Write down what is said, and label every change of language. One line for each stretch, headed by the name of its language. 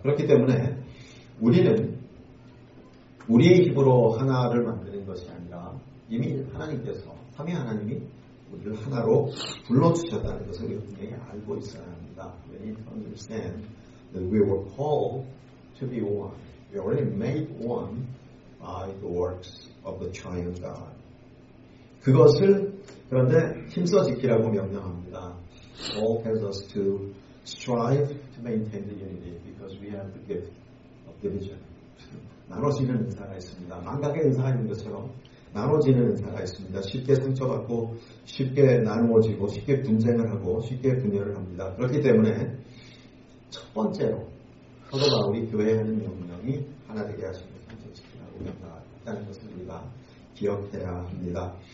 Korean: 그렇기 때문에 우리는 우리의 힘으로 하나를 만드는 것이 아니라 이미 하나님께서 삼위 하나님이 우리를 하나로 불러주셨다는 것을 분명히 알고 있어야 합니다.
English: We need to understand that we were called to be one. We already made one are the works of the triune God.
Korean: 그것을 그런데 힘써 지키라고 명령합니다.
English: Paul tells us to strive to maintain the unity because we have the gift of division.
Korean: 나눠지는 은사가 있습니다. 망각의 은사가 있는 것처럼 나눠지는 은사가 있습니다. 쉽게 상처받고 쉽게 나누어지고 쉽게 분쟁을 하고 쉽게 분열을 합니다. 그렇기 때문에 첫 번째로 서로가 우리 교회에 하는 명령이 하나 되게 하시는 힘써 지키라고 명령한다는 것을 우리가 기억해야 합니다.